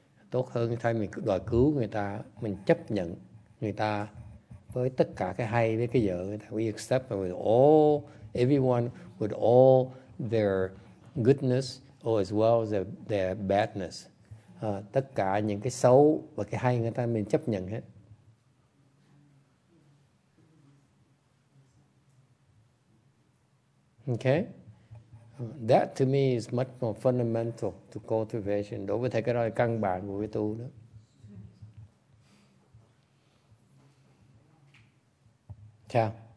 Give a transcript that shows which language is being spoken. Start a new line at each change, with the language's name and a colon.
Vietnamese: Tốt hơn thay mình đòi cứu người ta, mình chấp nhận người ta với tất cả cái hay với cái dở người ta.
English: We accept them with all, everyone with all their goodness or as well as their badness.
Vietnamese: Tất cả những cái xấu và cái hay người ta mình chấp nhận hết.
English: Okay, that to me is much more fundamental to cultivation.
Vietnamese: Đối với thầy cái đó là căn bản của cái tu đó. Chào.